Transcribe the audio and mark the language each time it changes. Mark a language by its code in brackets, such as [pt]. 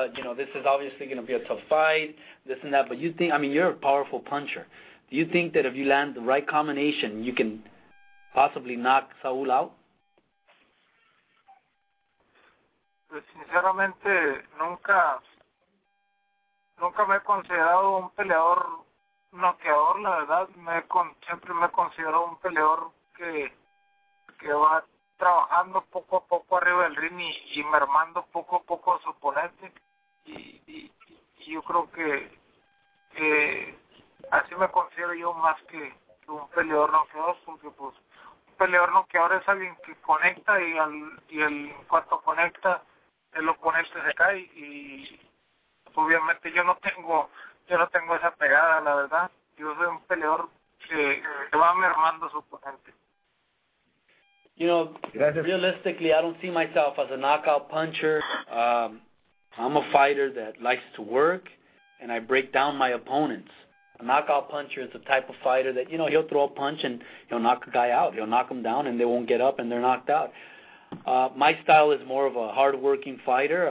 [en] You know, this is obviously going to be a tough fight, this and that, but you think, I mean, you're a powerful puncher. Do you think that if you land the right combination, you can possibly knock Saúl out? [es] Sinceramente, nunca me he considerado un peleador noqueador, la verdad. Siempre me he considerado un peleador que va trabajando poco a poco arriba del ring y mermando poco a poco a su oponente. Y yo creo que así me considero yo más que un peleador noqueador, porque pues un peleador noqueador es alguien que conecta y en cuanto conecta, el oponente se cae y obviamente yo no tengo esa pegada, la verdad. Yo soy un peleador que va mermando a su oponente. [en] You know, realistically, I don't see myself as a knockout puncher. I'm a fighter that likes to work, and I break down my opponents. A knockout puncher is the type of fighter that, you know, he'll throw a punch and he'll knock a guy out. He'll knock them down, and they won't get up, and they're knocked out. My style is more of a hardworking fighter.